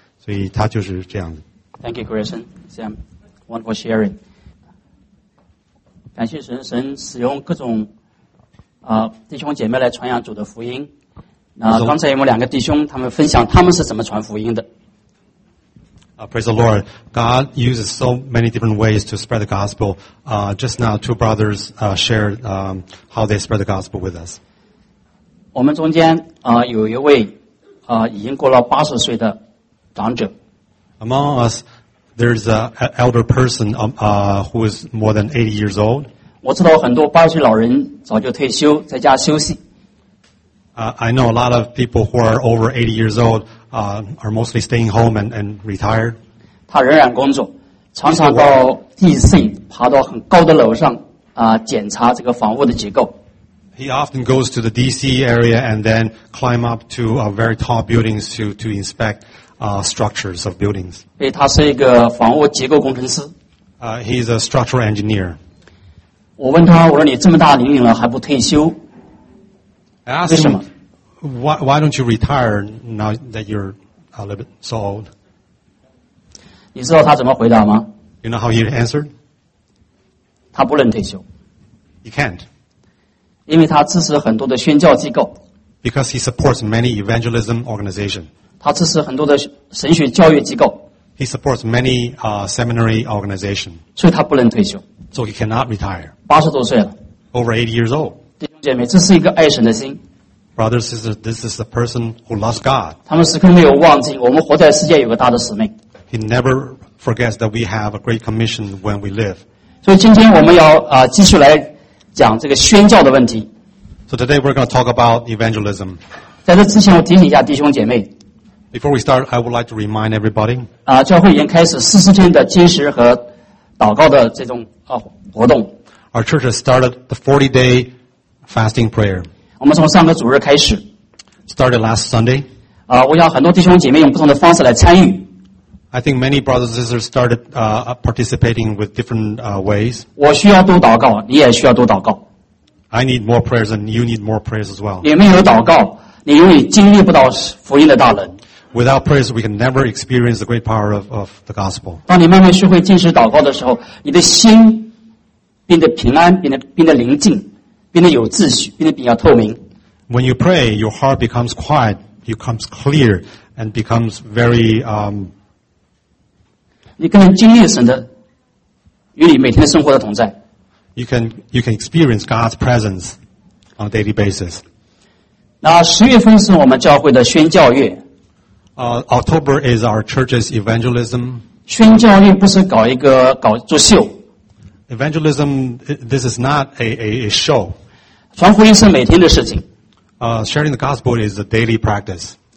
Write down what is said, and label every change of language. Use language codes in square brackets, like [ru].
[zh] 所以他就是这样子。 [en] Thank you, Grayson. Sam, wonderful sharing. [zh] 感谢神，神使用各种弟兄姐妹来传扬主的福音。刚才我们两个弟兄他们分享他们是怎么传福音的。 [en] Praise the Lord. God uses so many different ways to spread the gospel. Just now, two brothers shared how they spread the gospel with us. [zh] 我们中间有一位已经过了80岁的长者。 [en] Among us, there's an elder person who is more than 80 years old. [zh] 我知道很多80岁老人早就退休，在家休息。 [en] I know a lot of people who are over 80 years old are mostly staying home and retired. [zh] 他仍然工作，常常到地震爬到很高的楼上检查这个房屋的结构。 [en] He often goes to the DC area and then climb up to very tall buildings to inspect structures of buildings. [zh] 对，他是一个房屋结构工程师。 [en] He's a structural engineer. [zh] 我问他，我说你这么大年龄了还不退休？ [en] I asked him, why don't you retire now that you're a little bit so old? [zh] 你知道他怎么回答吗？ [en] You know how he answered? [zh] 他不能退休。 [en] He can't. [zh] 因为他支持很多的宣教机构。 [en] Because he supports many evangelism organizations. [zh] 他支持很多的神学教育机构。 [en] He supports many seminary organizations. [zh] 所以他不能退休。 [en] So he cannot retire. [zh] 80多岁了。 [en] Over 80 years old. [zh] 弟兄姐妹，这是一个爱神的心。 [en] Brothers, sisters, this is a person who loves God. [zh] 他们时刻没有忘记，我们活在世界有个大的使命。 [en] He never forgets that we have a great commission when we live. [zh] 所以今天我们要继续来讲这个宣教的问题。 [en] So today we're going to talk about evangelism. [zh] 在这之前，我提醒一下弟兄姐妹。 [en] Before we start, I would like to remind everybody. [zh] 教会已经开始40天的禁食和祷告的这种活动。 [en] Our church has started the 40-day Fasting prayer. [zh] 我们从上个主日开始。 [en] Started last Sunday. [zh] 我想很多弟兄姐妹用不同的方式来参与。 [en] I think many brothers and sisters started participating with different ways. [zh] 我需要多祷告，你也需要多祷告。 [en] I need more prayers and you need more prayers as well. [zh] 你没有祷告，你永远经历不到福音的大能。 [en] Without prayers, we can never experience the great power of the gospel. [zh] 当你慢慢学会禁食祷告的时候，你的心变得平安，变得宁静。变得有秩序，变得比较透明。 [en] When you pray, your heart becomes quiet, becomes clear, and becomes very [zh] 你更能经历神的与你每天生活的同在。 [en] You can experience God's presence on a daily basis. [zh] 那十月份是我们教会的宣教月。 [en] October is our church's evangelism. [zh] 宣教月不是搞一个搞作秀。 [en] Evangelism, this is not a show. [zh] 传福音是每天的事情。 [en] Sharing the gospel is a daily practice.